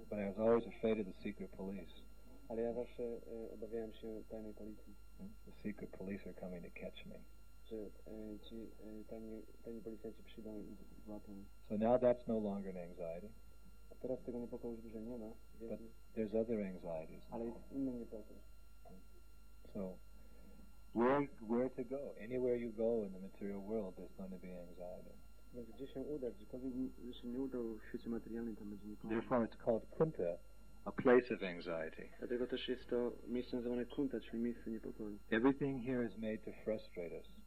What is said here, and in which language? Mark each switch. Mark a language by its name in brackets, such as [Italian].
[English] But I was always afraid of the secret police. [Polish] Ale ja zawsze obawiałem się tajnej policji. [English] The secret police are coming to catch me. [Polish] Że ci tajni policjanci przyjdą i złapią mnie. [English] So now that's no longer an anxiety. [Polish] A teraz tego niepokoju już dłużej nie ma. [English] But there's other anxieties. [Polish] Ale jest inny niepokój. [English] So where to go? Anywhere you go in the material world, there's going to be anxiety. [Polish] Więc gdzie się uda, gdziekolwiek się nie uda w świecie materialnym, tam będzie niepokój. [English] Therefore it's called Kunta, a place of anxiety. [Polish] Dlatego też jest to miejsce nazywane Kunta, czyli miejsce niepokoju. [English] Everything here is made to frustrate us.